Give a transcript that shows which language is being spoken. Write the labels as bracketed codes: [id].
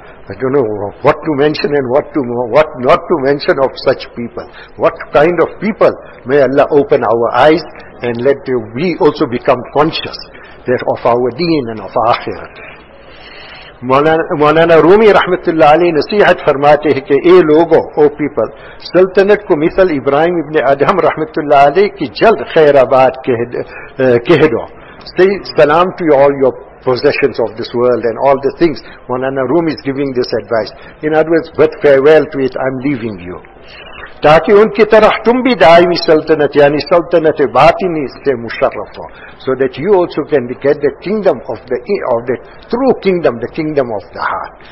[en] I don't know what to mention and what not to mention of such people. What kind of people? May Allah open our eyes and let we also become conscious that of our deen and of our akhirat. [ur] مولانا رومی رحمت اللہ علیہ نصیحت فرماتے ہیں کہ اے لوگو [en] O people, [ur] سلطنت کو مثل ابراہیم ابن ادہم رحمت اللہ علیہ کی جلد خیر آباد کہہ دو. [en] Say salam to all your possessions of this world and all the things. Maulana Rumi is giving this advice. In other words, but farewell to it, I'm leaving you. [ur] تاکہ ان کی طرح تم بھی دائمی سلطنت یعنی سلطنت باطنی سے مشرف ہو, [en] so that you also can get the kingdom of the true kingdom, the kingdom of the heart.